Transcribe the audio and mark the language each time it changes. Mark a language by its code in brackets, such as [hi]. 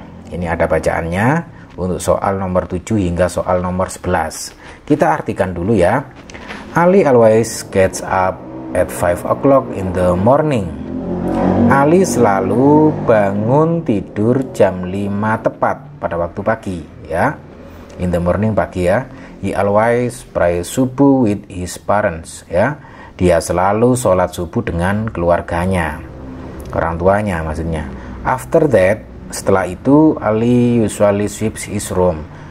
[id] Ini ada bacaannya untuk soal nomor 7 hingga soal nomor 11. Kita artikan dulu ya. [en] Ali always gets up at 5 o'clock in the morning. [id] Ali selalu bangun tidur jam 5 tepat pada waktu pagi ya. [en] In the morning, [id] pagi ya. [en] He always prays subuh with his parents [id] ya. Dia selalu sholat subuh dengan keluarganya. Orang tuanya maksudnya. [en] After that, [id] setelah itu [en] Ali usually sweeps his room.